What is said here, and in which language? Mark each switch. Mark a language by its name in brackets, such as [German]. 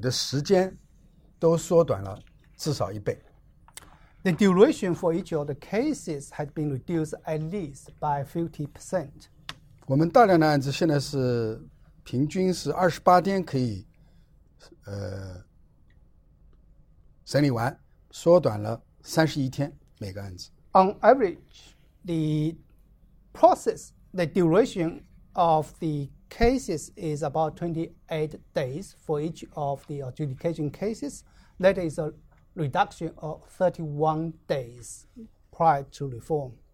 [Chinese] 第二个呢，案件受理的时间都缩短了至少1倍。 [English] The duration for each of the cases has been reduced at least by 50%. [Chinese] 我们大量的案子现在是平均是28天可以审理完，缩短了31天每个案子。 [English] On average, the duration of the cases is about 28 days for each of the adjudication cases. That is a reduction of 31 days prior to reform.